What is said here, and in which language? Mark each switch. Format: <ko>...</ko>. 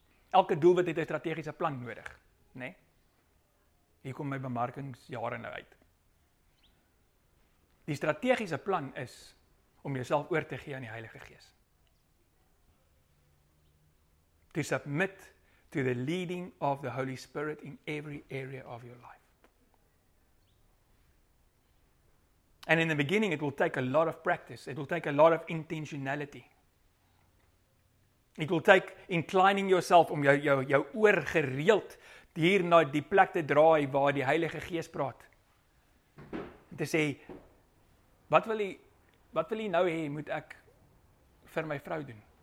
<af>Elke doelwit het 'n strategiese plan nodig, né? Nee? Hier kom my bemarkingsjare nou uit. Die strategiese plan is om jouself oor te gee aan die Heilige Gees.</af> <en>To submit to the leading of the Holy Spirit in every area of your life. And in the beginning it will take a lot of practice. It will take a lot of intentionality. It will take inclining yourself</en> <af>om jou oor gereeld hier na die plek te draai waar die Heilige Gees praat. En te sê, wat wil jy nou hê, moet ek vir my vrou doen?</af>